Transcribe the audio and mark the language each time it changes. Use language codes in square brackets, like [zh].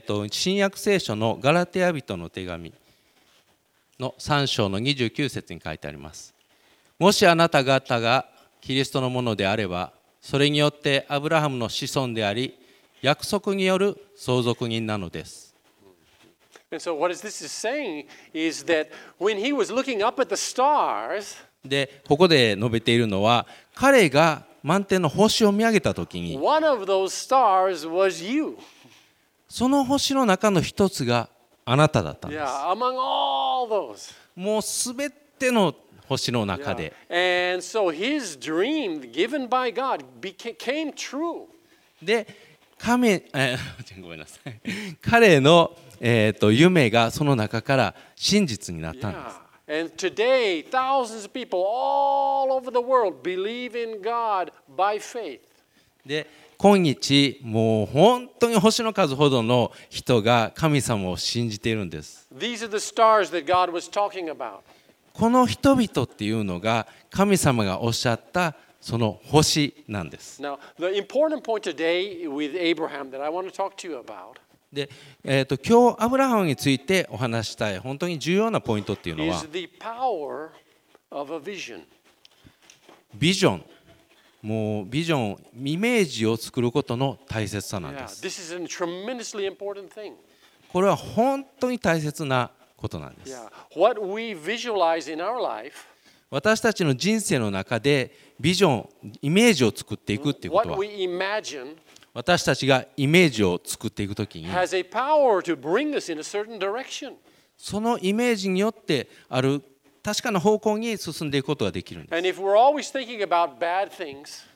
[ja] 新約聖書のガラテヤ人の手紙の3章の29節に書いてあります。もしあなた方がキリストのものであれば、それによってアブラハムの子孫であり、約束による相続人なのです。 [en] And so what this is saying is that when he was looking up at the stars, [ja] で、ここで述べているのは、彼が満天の星を見上げたときに、 [en] one of those stars was you. [ja] その星の中の一つがあなただったんです。 [en] Yeah, among all those. [ja] もうすべての星の中で。 [en] Yeah. And so his dream given by God became true. [ja] で、神、ごめんなさい。彼の夢がその中から真実になったんです。 [en] Yeah. And today, thousands of people all over the world believe in God by faith. [ja] で、今日もう本当に星の数ほどの人が神様を信じているんです。 [en] These are the stars that God was talking about. [ja] この人々っていうのが神様がおっしゃったその星なんです。 [en] Now, the important point today with Abraham that I want to talk to you about. [ja] で、今日アブラハムについてお話したい本当に重要なポイントっていうのは、 [en] is the power of a vision. [ja] ビジョン、もうビジョン、イメージを作ることの大切さなんです。 [en] Yeah, this is a tremendously important thing. [ja] これは本当に大切なことなんです。 [en] Yeah. What we visualize in our life, [ja] 私たちの人生の中でビジョン、イメージを作っていくっていうことは、 [en] what we imagine, [ja] 私たちがイメージを作っていくときに、そのイメージによってある確かな方向に進んでいくことができるんです。 [en] And if we're always thinking about bad things,